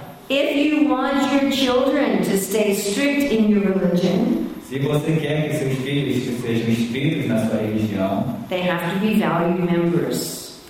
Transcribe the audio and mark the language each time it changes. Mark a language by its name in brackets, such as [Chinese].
[English] If you want your children to stay strict in your religion, [Portuguese] se você quer que seus filhos sejam estritos na sua religião, [English] they have to be valued members.